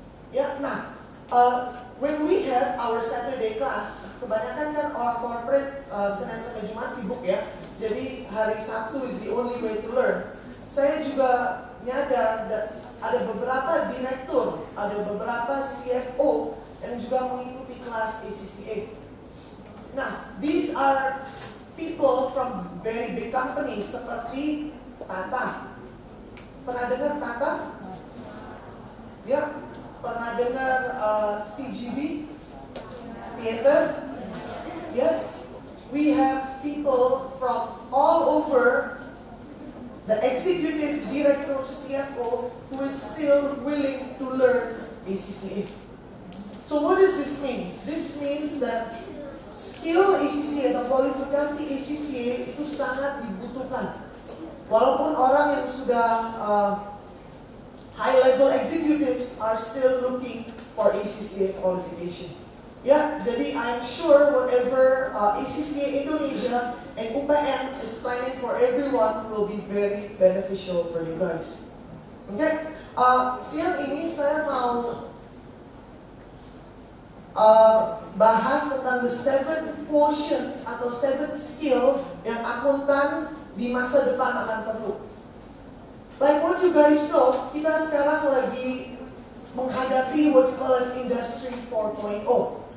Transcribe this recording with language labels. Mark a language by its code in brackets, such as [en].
[id] Ya, nah, [en] when we have our Saturday class, [id] kebanyakan kan orang corporate Senin sampai Jumat sibuk ya. Jadi hari Sabtu [en] is the only way to learn. [id] Saya juga nyadar ada beberapa direktur, ada beberapa CFO yang juga mengikuti kelas ACCA. [en] Nah, these are people from very big companies seperti Tata. [id] Pernah dengar Tata? Ya. Yeah. Pernah dengar CGV? Theater? Yes. [en] We have people from all over, the executive director, CFO, who is still willing to learn ACCA. So what does this mean? This means that skill ACCA [id] atau kualifikasi ACCA itu sangat dibutuhkan. Walaupun orang yang sudah [en] high level executives are still looking for ACCA qualification. Ya, jadi I'm sure whatever ACCA Indonesia and UPN is planning for everyone will be very beneficial for you guys. Oke, okay? [id] Siang ini saya mau bahas tentang the 7 quotients atau 7 skill yang akuntan di masa depan akan perlu. [en] Like what you guys know, [id] kita sekarang lagi menghadapi [en] what you call as Industry 4.0.